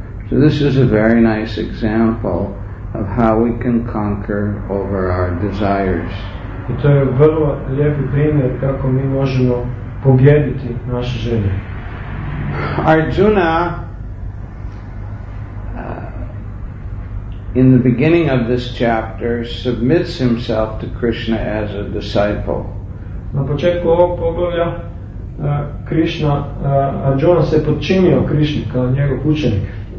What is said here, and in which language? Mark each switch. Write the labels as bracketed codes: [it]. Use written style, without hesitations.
[en] So this is a very nice example of how we can conquer over our desires. [hr] I to je vrlo lijepi primjer kako mi možemo pobijediti naše želje. [en] Arjuna, in the beginning of this chapter, submits himself to Krishna as a disciple. [hr] Na početku ovog poglavlja Krishna, Arjuna se podčinio Krishni kao njegov učenik.